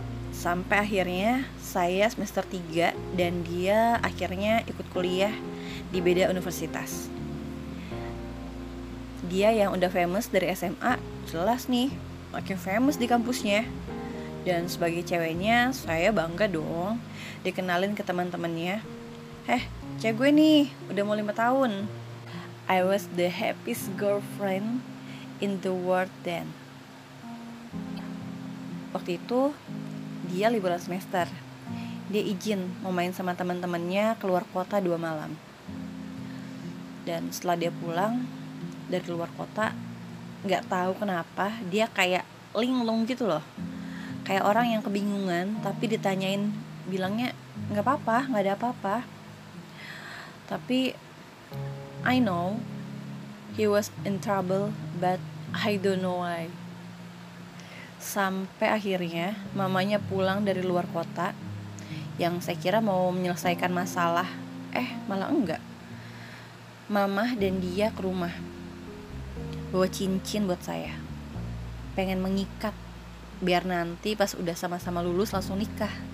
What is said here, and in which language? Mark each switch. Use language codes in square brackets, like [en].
[id] Sampai akhirnya saya semester 3 dan dia akhirnya ikut kuliah di beda universitas. Dia yang udah famous dari SMA, jelas nih, makin famous di kampusnya. Dan sebagai ceweknya, saya bangga dong dikenalin ke teman-temannya. Heh, cewek gue nih, udah mau 5 tahun. [en] I was the happiest girlfriend in the world then. [id] Waktu itu dia liburan semester. Dia izin mau main sama teman-temannya keluar kota 2 malam. Dan setelah dia pulang dari keluar kota, enggak tahu kenapa dia kayak linglung gitu loh. Kayak orang yang kebingungan tapi ditanyain bilangnya enggak apa-apa, enggak ada apa-apa. [en] Tapi I know he was in trouble, but I don't know why. [id] Sampai akhirnya mamanya pulang dari luar kota, yang saya kira mau menyelesaikan masalah, malah enggak. Mamah dan dia ke rumah, bawa cincin buat saya, pengen mengikat biar nanti pas udah sama-sama lulus langsung nikah.